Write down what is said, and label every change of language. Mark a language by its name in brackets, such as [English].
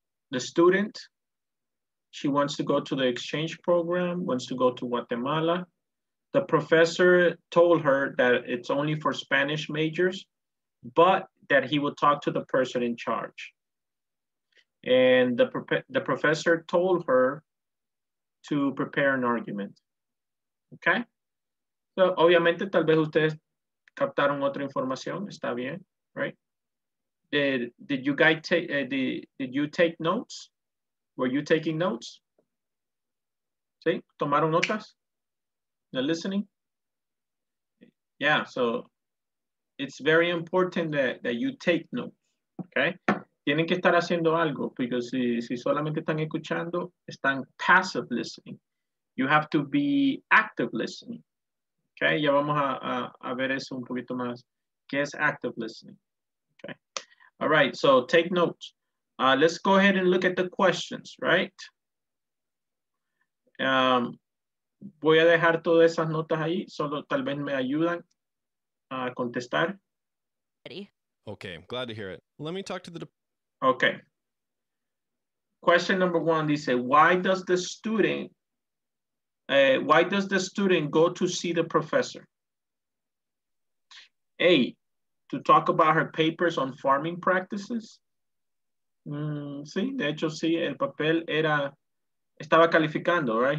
[English] The student, she wants to go to the exchange program, wants to go to Guatemala. The professor told her that it's only for Spanish majors, but that he would talk to the person in charge. And the professor told her to prepare an argument. Okay? [Spanish] So, obviamente, tal vez ustedes captaron otra información. Está bien, [English] right? Did you take notes? Were you taking notes? [Spanish] ¿Sí? ¿Tomaron notas? [English] The listening? Yeah, so it's very important that you take notes. [Spanish] Okay? Tienen que estar haciendo algo, because si solamente están escuchando, están passive listening. [English] You have to be active listening. [Spanish] Okay, ya vamos a ver eso un poquito más. ¿Qué es [English] active listening? Okay. All right, so take notes. Let's go ahead and look at the questions, right? [Spanish] Voy a dejar todas esas notas ahí, solo tal vez me ayudan a contestar. [English] Ready. Okay, I'm glad to hear it. Let me talk to the... Okay. Question number one, they say, why does the student go to see the professor? A, to talk about her papers on farming practices. [Spanish] Sí, de hecho, sí, el papel era, estaba calificando, right?